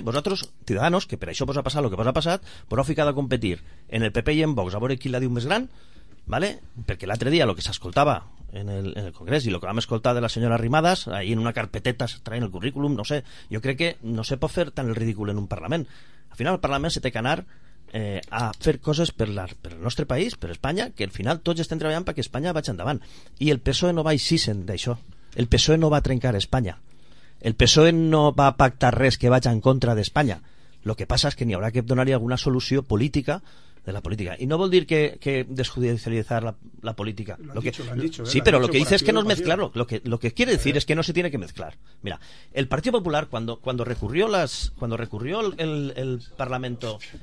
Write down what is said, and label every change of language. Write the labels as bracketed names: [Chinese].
[Spanish] Vosotros, ciudadanos, que para eso vos ha pasado lo que vos ha pasado, vos no ficado a competir en el PP y en Vox, a ver quién la dio más gran, ¿vale? Porque el otro día lo que se escoltaba en el Congreso y lo que vam escoltar de la senyora Arrimadas ahí en una carpeteta se traen el currículum, no sé, [Catalan] jo crec que no se pot fer tan el ridícul en un Parlament. Al final el Parlament se té que anar a fer coses per el nostre país, per Espanya, que al final tots estem treballant perquè Espanya vagi endavant. I el PSOE no va aixir-se'n d'això. El PSOE no va trencar Espanya. El PSOE no va pactar res que vagi en contra d'Espanya. Lo que passa és que n'hi haurà que donar-hi alguna solució política de la política. Y no vol dir que desjudicializar la política. [Spanish] Lo han dicho. Sí, pero lo que dice es que no es mezclarlo. Lo que quiere decir es que no se tiene que mezclar. Mira, el Partido Popular cuando recurrió el Parlamento.